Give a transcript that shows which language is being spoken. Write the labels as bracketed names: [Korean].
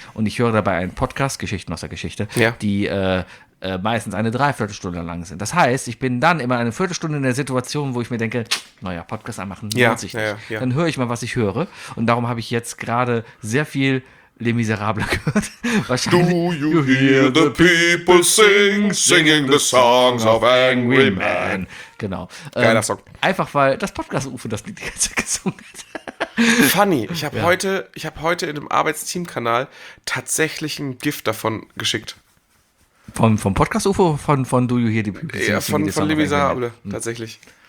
[German] Und ich höre dabei einen Podcast, Geschichten aus der Geschichte, die meistens eine Dreiviertelstunde lang sind. Das heißt, ich bin dann immer eine Viertelstunde in der Situation, wo ich mir denke, naja, Podcast anmachen, lohnt sich nicht. Ja, ja. Dann höre ich mal, was ich höre. Und darum habe ich jetzt gerade sehr viel Les Miserables gehört. Wahrscheinlich. [English] Do you hear the people singing the songs of angry men? [German] Genau. Geiler Song. Einfach weil das Podcast-Ufo das Lied die ganze Zeit gesungen hat. Funny, ich habe heute in einem Arbeitsteam-Kanal tatsächlich ein Gift davon geschickt. Vom Podcast-Ufo oder von [English] Do you hear the people singing? [German] Ja, von Les Miserables, tatsächlich.